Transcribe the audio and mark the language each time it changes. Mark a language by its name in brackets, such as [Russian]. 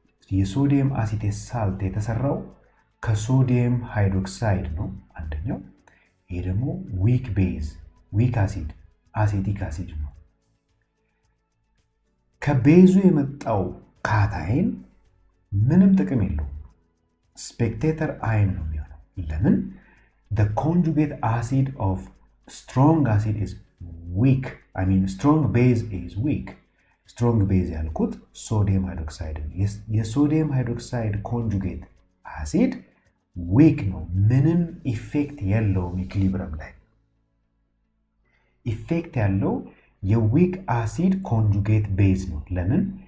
[Amharic] የሶዲየም አሲቴት ሳልት የተሰራው ከሶዲየም ሃይድሮክሳይድ ነው አንደኛው። ይሄ ደግሞ ዊክ ቤዝ ዊክ አሲድ አሲቲክ አሲድ ነው። ከቤዙ የመጣው ካታይን ምንም ጥቅም የለውም፣ ስፔክቴተር አይን ነው የሚሆነው። ለምን? [English] the conjugate acid of strong acid is weak. I mean strong base is weak. strong base [Amharic] ያልኩት ሶዲየም ሃይድሮክሳይድ ነው። የሶዲየም ሃይድሮክሳይድ ኮንጁጌት አሲድ ዊክ ነው፣ ምንም ኢፌክት የለውም ኢኩሊብሪየም ላይ። ኢፌክት ያለው የዊክ አሲድ ኮንጁጌት ቤዝ ነው። ለምን?